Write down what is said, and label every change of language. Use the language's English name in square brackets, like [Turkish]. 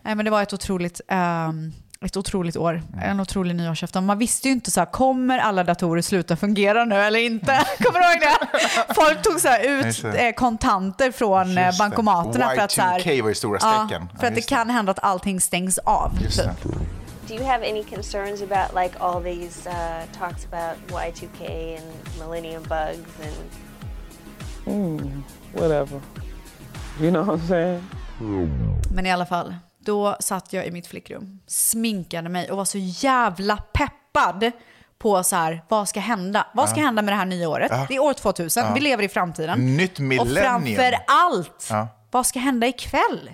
[Swedish] Nej, men det var ett otroligt år. Mm. En otrolig nyårsafton. Man visste ju inte så här, kommer alla datorer sluta fungera nu eller inte? Kommer du ihåg det? Folk tog så här ut kontanter från bankomaterna för att så här, Y2K var ju stora strecken. Ja, för att det kan hända att allting stängs av. Just det. [English] Do you have any concerns about like all these talks about Y2K and millennium bugs and whatever. You know what I'm saying? [Swedish] Men i alla fall, då satt jag i mitt flickrum, sminkade mig och var så jävla peppad på så här, vad ska hända? Vad ska hända med det här nya året? Det är år 2000, vi lever i framtiden. Nytt millennium. Och framför allt, vad ska hända ikväll?